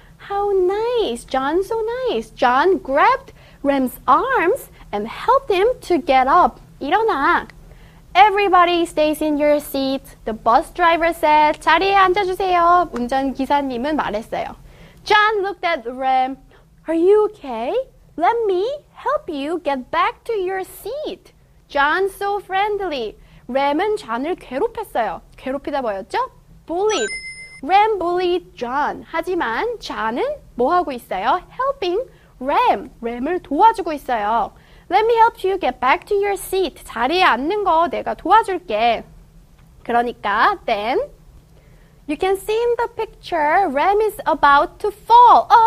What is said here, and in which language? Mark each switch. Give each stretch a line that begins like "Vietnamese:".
English: How nice, John so nice. John grabbed Rem's arms and helped him to get up.
Korean: 일어나.
English: Everybody stays in your seat. The bus driver said,
Korean: 자리에 앉아주세요. 운전기사님은 말했어요.
English: John looked at Ram. Are you okay? Let me help you get back to your seat. John so friendly.
Korean: Ram은 John을 괴롭혔어요. 괴롭히다 뭐였죠? Bullied.
English: Ram bullied John.
Korean: 하지만 John은 뭐하고 있어요? Helping Ram. Ram을 도와주고 있어요.
English: Let me help you get back to your seat.
Korean: 자리에 앉는 거 내가 도와줄게.
English: 그러니까 then you can see in the picture Ram is about to fall.